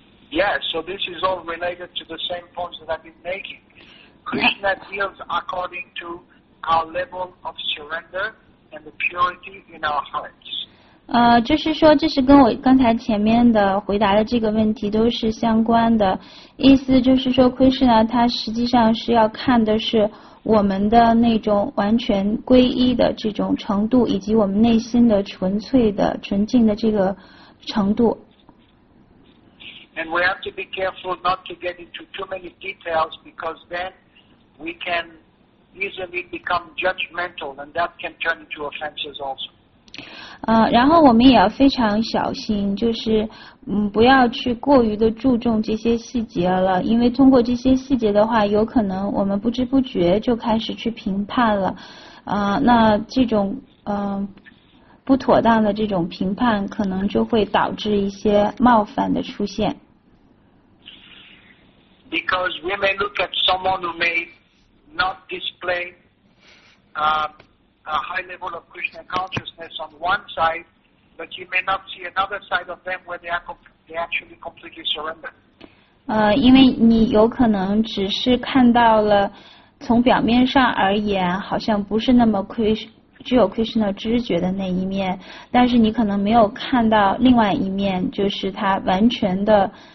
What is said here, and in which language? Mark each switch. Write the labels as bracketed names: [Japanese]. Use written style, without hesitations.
[English] Yes, so this is all related to the same points that I've been making. Krishna deals according to our level of surrender and the purity in our hearts. [Chinese] 就是说，这是跟我刚才前面的回答的这个问题都是相关的。意思就是说 ，Krishna 他实际上是要看的是我们的那种完全皈依的这种程度，以及我们内心的纯粹的、纯净的这个程度。 [English] And we have to be careful not to get into too many details because then we can easily become judgmental and that can turn into offenses also. [Chinese] 然后我们也要非常小心，就是不要去过于的注重这些细节了，因为通过这些细节的话，有可能我们不知不觉就开始去评判了，那这种不妥当的这种评判可能就会导致一些冒犯的出现。 [English] Because we may look at someone who may not display a high level of Krishna consciousness on one side, but you may not see another side of them where they actually completely surrender. [Chinese] 因为你有可能只是看到了从表面上而言好像不是那么具有 Krishna 知觉的那一面，但是你可能没有看到另外一面，就是他完全的。